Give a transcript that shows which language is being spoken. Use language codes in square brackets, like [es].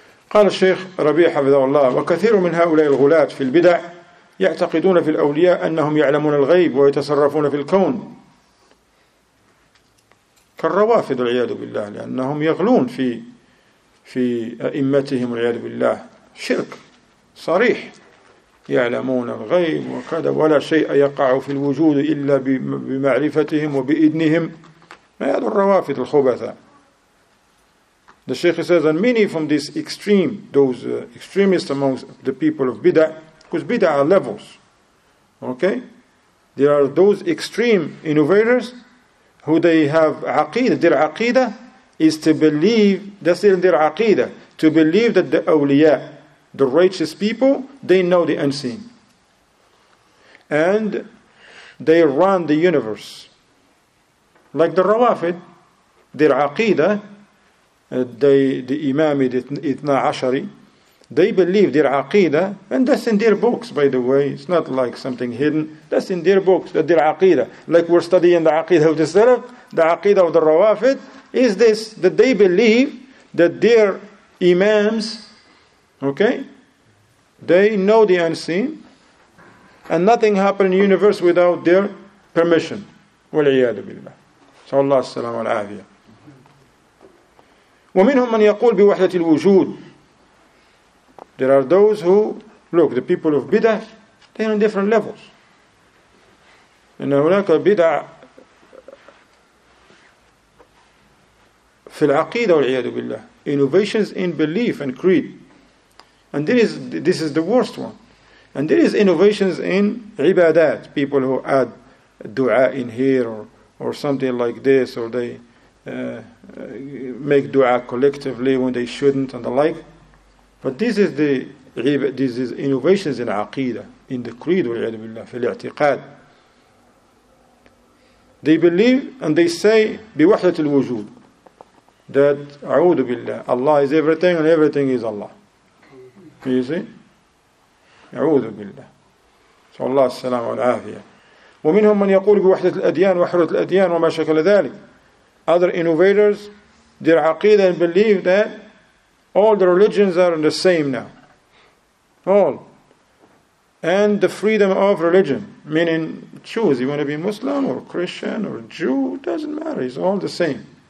[ar] قال الشيخ ربيع حفظه الله وكثير من هؤلاء الغلاة في البدع يعتقدون في الأولياء أنهم يعلمون الغيب ويتصرفون في الكون كالروافض العياذ بالله لأنهم يغلون في أئمتهم العياذ بالله شرك صريح يعلمون الغيب وكذا ولا شيء يقع في الوجود إلا بمعرفتهم وبإذنهم هذا الروافض الخبثاء. [en] The Sheikh says, and many from this extreme, those extremists amongst the people of Bid'ah, because Bid'ah are levels, okay? There are those extreme innovators who they have aqidah. Their aqidah is to believe, that's in their aqidah, to believe that the awliya, the righteous people, they know the unseen. And they run the universe. Like the Rawafid, their aqidah, the Imam Ithna Ashari, they believe their aqidah, and that's in their books, by the way. It's not like something hidden. That's in their books, that their aqidah. Like we're studying the aqidah of the Salaf, the aqidah of the Rawafid, is this, that they believe that their imams, okay, they know the unseen, and nothing happened in the universe without their permission. [ar] Wal-iyadu billah. [en] So [ar] Allah as-salamu al-afiyah. ومنهم من يقول بوحدة الوجود. [en] There are those who look, the people of bid'ah, they are on different levels. [ar] إن هناك بدع في العقيدة والعياذ بالله. [en] Innovations in belief and creed. And this is the worst one. And there is innovations in عبادات. People who add du'a in here or something like this, or they make dua collectively when they shouldn't and the like. But this is innovations in aqidah, in the creed, [ar] وَالْعَيْدُ بِاللَّهِ فِي الْاَعْتِقَادِ. [en] They believe and they say [ar] بِوَحْدَةِ الْوُجُودِ. [en] that [ar] A'udhu Billah, [en] Allah is everything and everything is Allah. You see? [ar] A'udhu Billah. So Allah as-salamu al-afiyah. ومنهم من يقول بوحدة الأديان وحرة الأديان وما شكل ذلك. [en] Other innovators, their aqidah and belief that all the religions are in the same now. All. And the freedom of religion, meaning choose, you want to be Muslim or Christian or Jew, it doesn't matter, it's all the same.